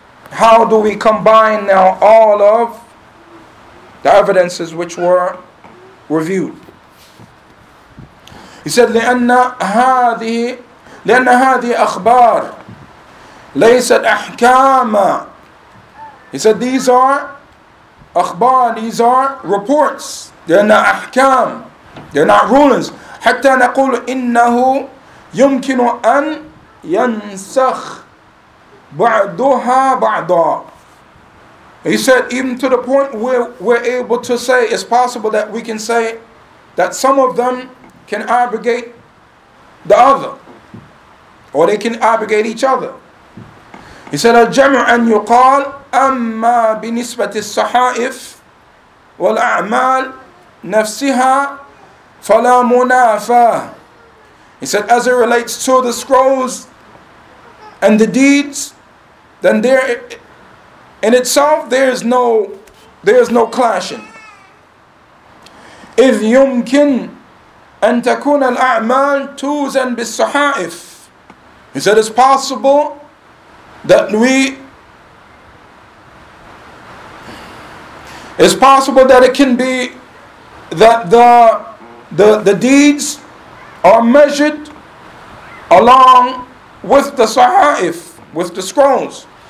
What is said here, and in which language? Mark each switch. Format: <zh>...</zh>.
<en>How do we combine now all of the evidences which were reviewed? He said,</en> <ar>لِأَنَّ هَذِهِ أَخْبَار لَيْسَتْ أَحْكَامًا.</ar> <en>He said, these are أخبار, these are reports. They're not أحكام. They're not rulings.</en> <ar>حتى نقول إنه يمكن أن ينسخ بعضها بعضا.</ar> <en>He said, even to the point where we're able to say, it's possible that we can say that some of them can abrogate the other, or they can abrogate each other. He said,</en> <ar>الجمع أن يقال أما بنسبة الصحائف والأعمال نفسها فلا منافاة.</ar> <en>He said, as it relates to the scrolls and the deeds, then there in itself there is no clashing.</en> <ar>إذ يمكن أن تكون الأعمال توزن بالصحائف.</ar> <en>He said, it's possible that it can be that the deeds are measured along with the sahaif, with the scrolls.</en>